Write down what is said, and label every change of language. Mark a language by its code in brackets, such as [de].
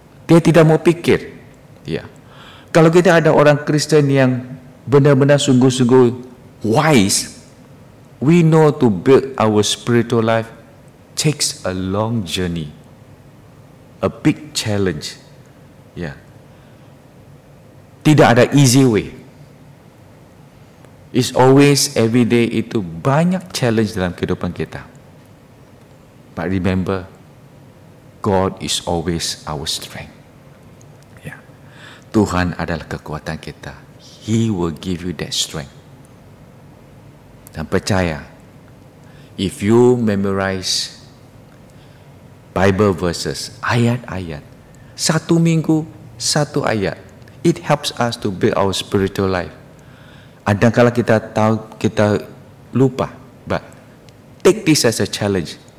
[id] Dia tidak mau pikir. Ya. Kalau kita ada orang Kristen yang benar-benar sungguh-sungguh [en] wise, we know to build our spiritual life takes a long journey, a big challenge. Yeah. [id] Tidak ada easy way. [en] It's always every day [id] itu banyak challenge dalam kehidupan kita. [en] But remember, God is always our strength. Yeah. [id] Tuhan adalah kekuatan kita. [en] He will give you that strength. [id] Dan percaya, [en] if you memorize Bible verses, [id] ayat-ayat, satu minggu, satu ayat. [en] It helps us to build our spiritual life. [id] Kadang-kala kita tahu, kita lupa, [en] but take this as a challenge.